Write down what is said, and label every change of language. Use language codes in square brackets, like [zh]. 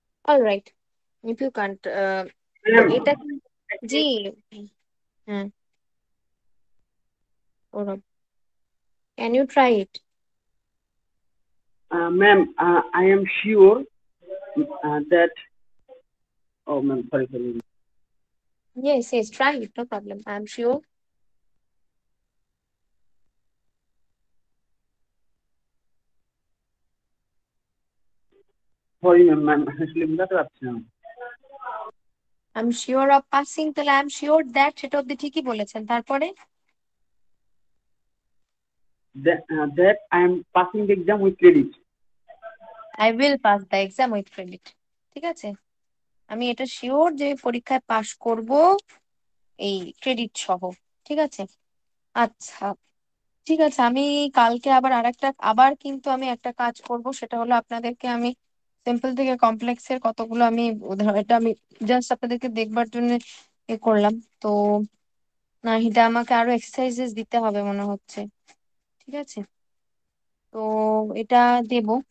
[en] All right, if you can't, এটা জি, হ্যাঁ Sourav, can you try it? Ma'am I am sure that, oh ma'am sorry sorry, Yes, yes, try it, no problem. I am sure. [bn] Sorry ma'am ma'am আসলে বুঝাতে পারছি না। [en] I am sure of passing, তাহলে I am sure that [bn] সেটা অব্দি ঠিকই বলেছেন, তারপরে [en] That I am passing the exam with credit. I will pass the exam with credit. [bn] ঠিক আছে, আমি এটা শিওর যে পরীক্ষায় পাশ করব এই ক্রেডিট সহ, ঠিক আছে। আচ্ছা ঠিক আছে, আমি কালকে আবার আরেকটা, আবার কিন্তু আমি একটা কাজ করব, সেটা হলো আপনাদেরকে আমি সিম্পল থেকে কমপ্লেক্স এর কতগুলো আমি উদাহরণ, এটা আমি জাস্ট আপনাদেরকে দেখবার জন্য এ করলাম, তো না হিতে আমাকে আরো এক্সারসাইজেস দিতে হবে মনে হচ্ছে, ঠিক আছে তো এটা দেব।